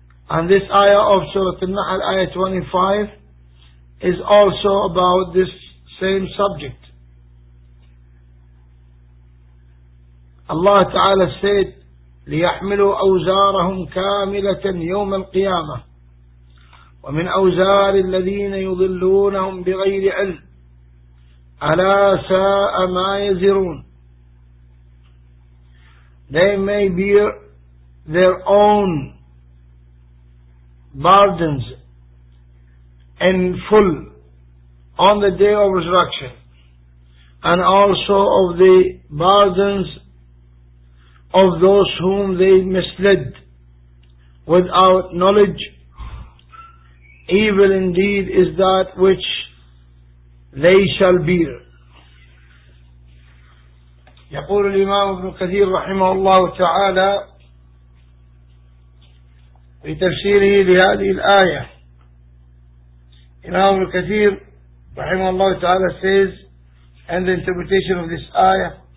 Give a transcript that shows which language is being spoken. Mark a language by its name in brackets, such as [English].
[English] And this ayah of Surah An-Nahl, ayah 25, is also about this same subject. Allah Ta'ala said, [Arabic] لِيَحْمِلُوا أَوْزَارَهُمْ كَامِلَةً يَوْمَ الْقِيَامَةِ وَمِنْ أَوْزَارِ الَّذِينَ يُضِلُّونَهُمْ بِغَيْرِ عِلْمٍ أَلَا سَاءَ مَا يَزِرُونَ. [English] They may bear their own burdens in full on the day of resurrection and also of the burdens of those whom they misled without knowledge. Evil indeed is that which they shall bear. [Arabic] يقول الإمام ابن كثير رحمه الله تعالى في تفسيره لهذه الآية إمام ابن كثير رحمه الله تعالى [English] says and the interpretation of this ayah